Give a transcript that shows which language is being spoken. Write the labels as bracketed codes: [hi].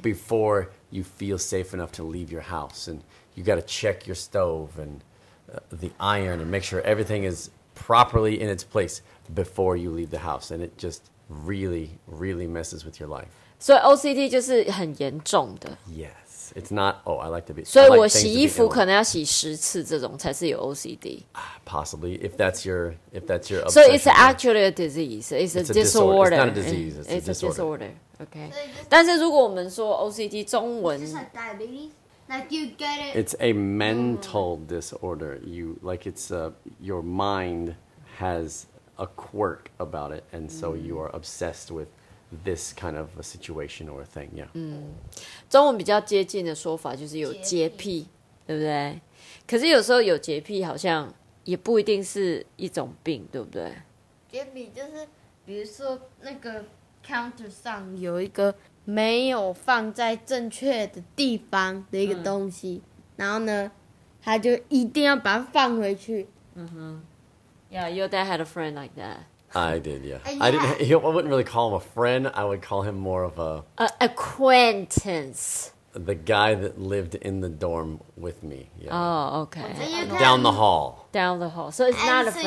[en] Before you feel safe enough to leave your house. And you got to check your stove and、the iron and make sure everything is properly in its place before you leave the house. And it just... really, really messes with your life. [zh] So OCD 就是很严重的。 [en] Yes, it's not, oh, I like to be... [zh] 所以我洗衣服可能要洗十次这种才是有 OCD. [en] Possibly, if that's your So it's actually a disease. It's a disorder. It's not a disease, it's a disorder. [zh] Okay. 但是如果我们说 OCD 中文... [en] It's just like diabetes? Like you get it... It's a mental disorder. You, like it's, your mind has... a quirk about it, and so you are obsessed with this kind of a situation or a thing, yeah. [zh] 中文比较接近的说法就是有洁癖，对不对？可是有时候有洁癖好像也不一定是一种病，对不对？洁癖就是比如说那个 counter 上有一个没有放在正确的地方的一个东西，然后呢，他就一定要把它放回去。 [en] Yeah, your dad had a friend like that. I did, yeah. I didn't. I wouldn't really call him a friend. I would call him more of an acquaintance. The guy that lived in the dorm with me. Yeah. Oh, okay. Down the hall. Down the hall. So it's not a friend.